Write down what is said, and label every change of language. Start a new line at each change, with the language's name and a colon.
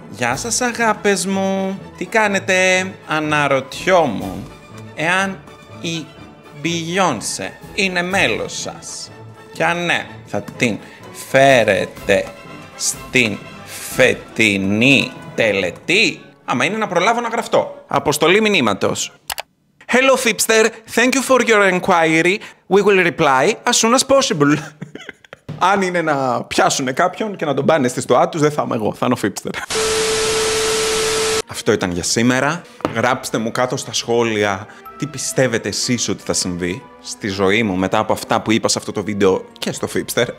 Greek: Γεια σας αγάπες μου. Τι κάνετε? Αναρωτιόμουν εάν η Beyoncé είναι μέλος σας. Και αν ναι, θα την φέρετε στην φετινή τελετή? Άμα είναι να προλάβω να γραφτώ. Αποστολή μηνύματος.
English: Hello, Fipster. Thank you for your inquiry. We will reply as soon as possible.
Greek: Αν είναι να πιάσουν κάποιον και να τον πάνε στη στοά τους, δεν θα είμαι εγώ. Θα είναι ο Fipster. Αυτό ήταν για σήμερα. Γράψτε μου κάτω στα σχόλια τι πιστεύετε εσείς ότι θα συμβεί στη ζωή μου μετά από αυτά που είπα σε αυτό το βίντεο και στο Fipster.